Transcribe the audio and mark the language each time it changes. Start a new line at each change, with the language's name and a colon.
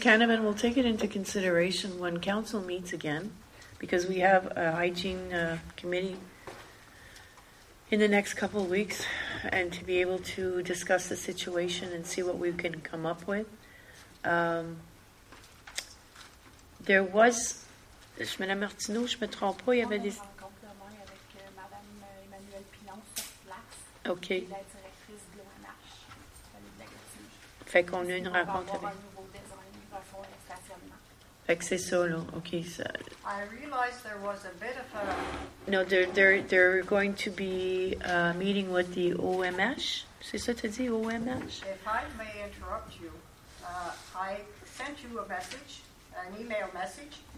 English: Canavan, we'll take it into consideration when council meets again, because we have a hygiene committee in the next couple of weeks, and to be able to discuss the situation and see what we can come up with. There was...
French: Madame Martineau, je ne me trompe pas, il y avait des... On a un complément avec Madame Emmanuelle Pilon sur place. OK. Et la directrice de l'ONH. Fait qu'on a une rencontre avec... On va avoir un nouveau design, il va faire le stationnement. Fait que c'est ça, là. OK, ça...
English: I realized there was a bit of a... No, they're going to be meeting with the OMH.
French: C'est ça, tu as dit, OMH?
English: If I may interrupt you, I sent you a message, an email message.